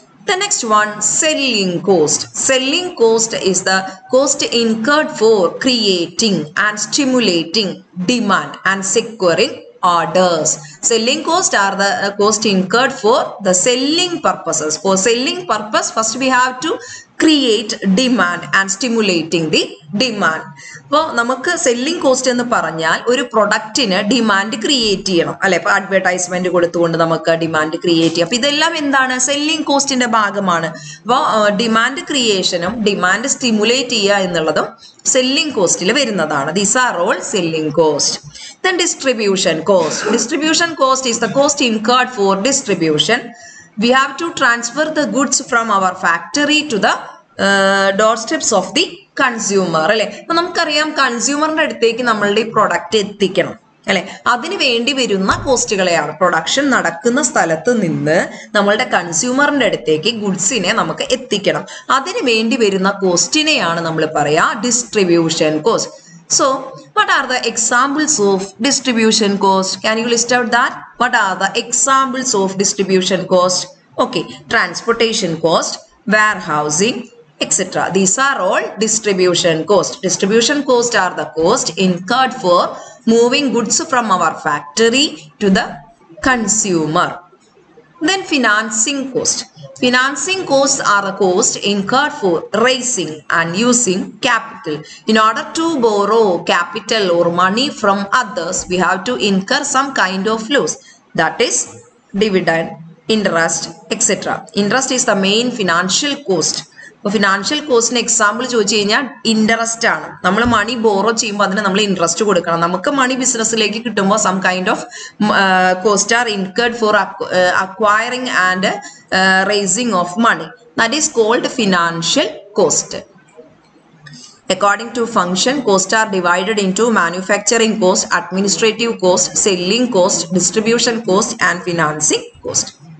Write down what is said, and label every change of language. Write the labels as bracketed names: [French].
[English] The next one, selling cost. Selling cost is the cost incurred for creating and stimulating demand and securing orders. Selling cost are the cost incurred for the selling purposes. For selling purpose, first we have to create demand and stimulating the demand. [Malayalam] അപ്പോൾ നമുക്ക് selling cost എന്ന് പറഞ്ഞാൽ ഒരു പ്രൊഡക്റ്റിന് demand create ചെയ്യണം അല്ലെ. അപ്പൊ advertisement കൊടുത്തുകൊണ്ട് നമുക്ക് ഡിമാൻഡ് ക്രിയേറ്റ് ചെയ്യാം. അപ്പൊ ഇതെല്ലാം എന്താണ്? സെല്ലിംഗ് കോസ്റ്റിന്റെ ഭാഗമാണ്. അപ്പോൾ ഡിമാൻഡ് ക്രിയേഷനും ഡിമാൻഡ് സ്റ്റിമുലേറ്റ് ചെയ്യുക എന്നുള്ളതും സെല്ലിംഗ് കോസ്റ്റിൽ വരുന്നതാണ്. [English] These are all selling cost. Then distribution cost. Distribution cost is the cost incurred for distribution. We have to transfer the goods from our factory to the doorsteps of the consumer അല്ലെ. [Malayalam] അപ്പൊ നമുക്കറിയാം കൺസ്യൂമറിന്റെ അടുത്തേക്ക് നമ്മളുടെ ഈ product എത്തിക്കണം അല്ലെ. അതിന് വേണ്ടി വരുന്ന കോസ്റ്റുകളെയാണ്, പ്രൊഡക്ഷൻ നടക്കുന്ന സ്ഥലത്ത് നിന്ന് നമ്മളുടെ കൺസ്യൂമറിന്റെ അടുത്തേക്ക് ഗുഡ്സിനെ നമുക്ക് എത്തിക്കണം, അതിന് വേണ്ടി വരുന്ന കോസ്റ്റിനെയാണ് നമ്മൾ പറയാ distribution cost. [English] So what are the examples of distribution cost? Can you list out that? What are the examples of distribution cost? Okay, transportation cost, warehousing, etc. These are all distribution cost. Distribution cost are the cost incurred for moving goods from our factory to the consumer. Then financing cost. Financing costs are the cost incurred for raising and using capital. In order to borrow capital or money from others, we have to incur some kind of loss, that is dividend, interest, etc. Interest is the main financial cost. [Malayalam] Financial കോസ്റ്റിന് example ചോദിച്ചു കഴിഞ്ഞാൽ interest ആണ്. നമ്മൾ മണി borrow ചെയ്യുമ്പോൾ അതിന് നമ്മൾ interest കൊടുക്കണം. നമുക്ക് മണി ബിസിനസ്സിലേക്ക് കിട്ടുമ്പോൾ [English] Some kind of cost are incurred for acquiring and raising of money. That is called financial cost. According to function, cost are divided into manufacturing cost, administrative cost, selling cost, distribution cost and financing cost.